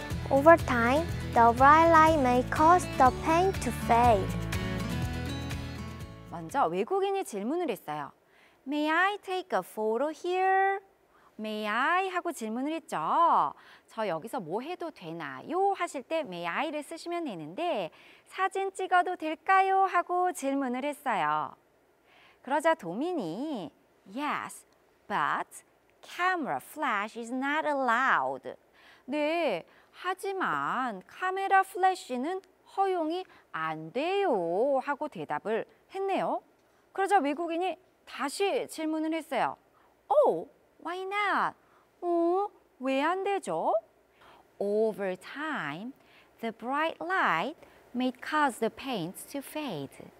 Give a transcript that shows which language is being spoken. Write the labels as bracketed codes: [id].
[en] Over time, the bright light may cause the paint to fade. [ko] 먼저 외국인이 질문을 했어요. [en] May I take a photo here? May I? [ko] 하고 질문을 했죠. 저 여기서 뭐 해도 되나요? 하실 때 [en] May I [ko] 를 쓰시면 되는데 사진 찍어도 될까요? 하고 질문을 했어요. 그러자 도민이 [en] Yes, but Camera flash is not allowed. [ko] 네, 하지만 카메라 플래시는 허용이 안 돼요 하고 대답을 했네요. 그러자 외국인이 다시 질문을 했어요. [en] Oh, why not? [ko] 왜 안 되죠? [en] Over time, the bright light may cause the paint to fade.